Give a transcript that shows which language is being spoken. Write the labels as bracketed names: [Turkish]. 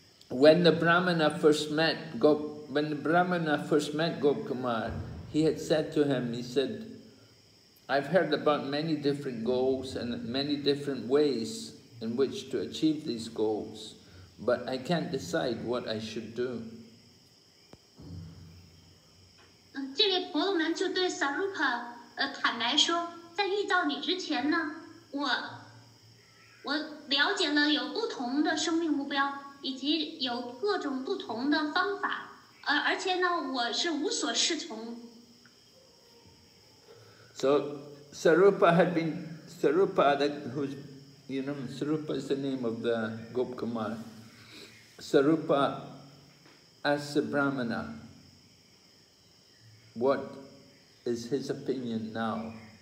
[English] When the Brahmana first met Gop Kumar, he had said to him, he said, I've heard about many different goals and many different ways in which to achieve these goals, but I can't decide what I should do. [Chinese] 这位婆罗门就对 Sarupa 坦白说，在遇到你之前呢，我了解了有不同的生命目标，以及有各种不同的方法，而且呢，我是无所适从。 [English] So Sarupa had been Sarupa, that who's, you know, Sarupa is the name of the Gop Kumar. Sarupa asked the Brahmana, "What is his opinion now?